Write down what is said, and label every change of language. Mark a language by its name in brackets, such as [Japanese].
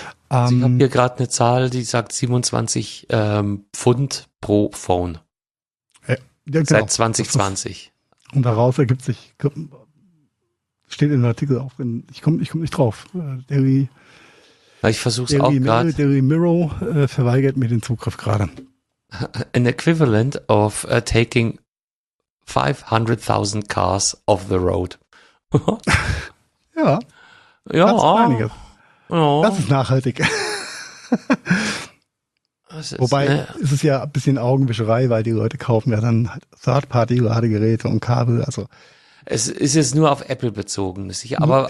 [German] Ich habe hier gerade eine Zahl, die sagt 27 Pfund pro Phone. Ja, genau. Seit 2020. Und daraus ergibt sich, steht in dem Artikel auf, ich komm nicht drauf. Ich versuche es auch gerade. Daily Mirror verweigert mir den Zugriff gerade. [English] An equivalent of taking 500,000 cars off the road. [German] Ja. Ja. Das ist einiges. Ja. Das ist nachhaltig. Das ist, wobei, ist es ja ein bisschen Augenwischerei, weil die Leute kaufen ja dann Third-Party-Ladegeräte und Kabel. Also es ist jetzt nur auf Apple bezogen. Aber